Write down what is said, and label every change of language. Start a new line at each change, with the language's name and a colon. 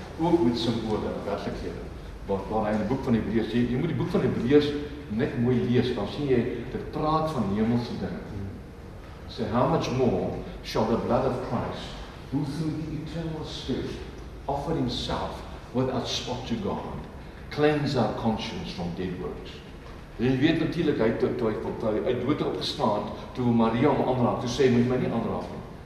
Afrikaans: Ook met simbole en werklikhede. Waar hy in die boek van Hebreërs sê, jy moet die boek van Hebreërs net mooi lees, dan sien jy dit praat van hemelse dinge. Sê,
English: how much more shall the blood of Christ, who through the eternal spirit, offer himself without spot to God, cleanse our conscience from dead works.
Afrikaans: Jy weet natuurlik, hy het uit dood opgestaan, toe Maria hom aanraak, toe sê, moet my nie aanraak nie.